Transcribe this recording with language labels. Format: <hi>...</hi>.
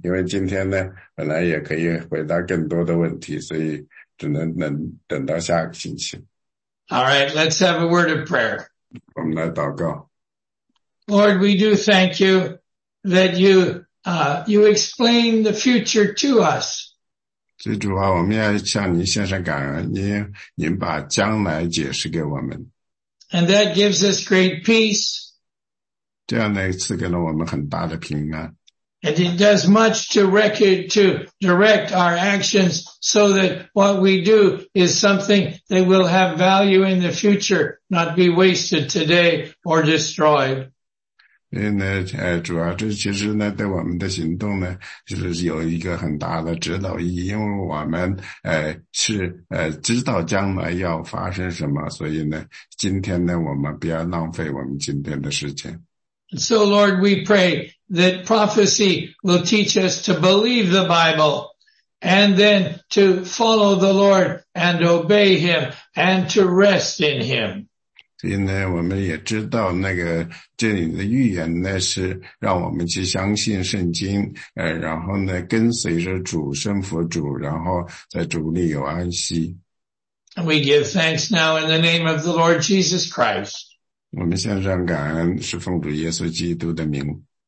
<zh>因为今天呢本来也可以回答更多的问题，所以只能等到下个星期。</zh> <en>Alright, let's have a word of prayer.</en> <zh>我们来祷告。</zh> <en>Lord, we do thank you that you, you explain the future to us.</en> <zh>所以主啊，我们要向您献上感恩，您把将来解释给我们。</zh> <en>And that gives us great peace.</en> <zh>这样呢，赐给了我们很大的平安。</zh> <en>And it does much to direct our actions so that what we do is something that will have value in the future, not be wasted today or destroyed.</en> <zh>主要这其实呢对我们的行动呢就是有一个很大的指导意义，因为我们知道将来要发生什么，所以呢今天呢我们不要浪费我们今天的时间。</zh> <en>So Lord, we pray that prophecy will teach us to believe the Bible and then to follow the Lord and obey Him and to rest in Him.</en> <zh>所以呢我们也知道那个这里的预言呢是让我们去相信圣经，然后呢跟随着主，顺服主，然后在主里有安息。</zh> <en>We give thanks now in the name of the Lord Jesus Christ.</en> <zh>我们献上感恩是奉主耶稣基督的名。</zh>